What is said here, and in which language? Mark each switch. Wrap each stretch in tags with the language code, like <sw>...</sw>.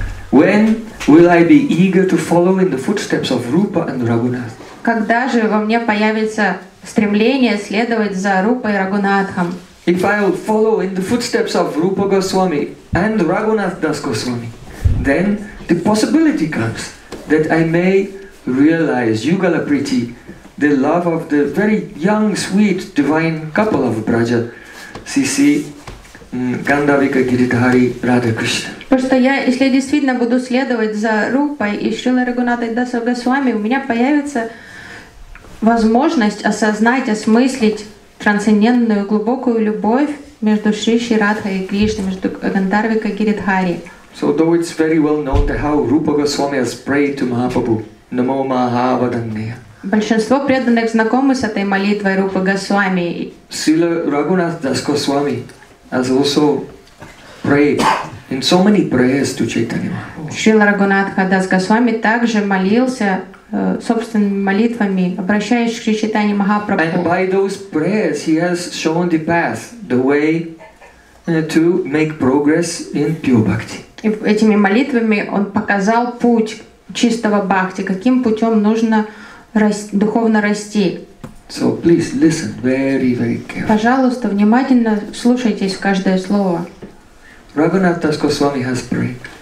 <en>When will I be eager to follow in the footsteps of Rupa and Raghunath?</en> <ru>Когда же во мне появится стремление следовать за Рупой и Рагунатхом?</ru> <en>If I will follow in the footsteps of Rupa Goswami and Raghunath Das Goswami, then the possibility comes that I may realize Yugalapriti, the love of the very young, sweet, divine couple of Braja, C.C. Gandavika Giridhari Radha Krishna.</en> <ru>Потому что я, если я действительно буду следовать за Рупой и Шрилой Рагунатхой Дас Госвами, у меня появится возможность осознать, осмыслить трансцендентную глубокую любовь между Шри Радхой и Кришной, между Гандарвикой Гиридхари.</ru> <en>So though it's very well known that how Rupa Goswami has prayed to Mahaprabhu, Namo Mahavadanya.</en> <ru>Большинство преданных знакомы с этой молитвой Рупы Госвами.</ru> <en>Шрила Рагунатха Дас Госвами has also prayed in so many prayers to Chaitanya Mahaprabhu.</en> <ru>Шрила Рагунатха Дас Госвами также молился собственными молитвами, обращаясь к Чайтанье Махапрабху.</ru> <en>And by those prayers he has shown the path, the way to make progress in pure bhakti.</en> <ru>И этими молитвами он показал путь чистого бхакти, каким путем нужно духовно расти.</ru> <en>So please listen very, very carefully.</en> <ru>Пожалуйста, внимательно слушайтесь каждое слово.</ru> <en>Raghunath Das Goswami has prayed.</en>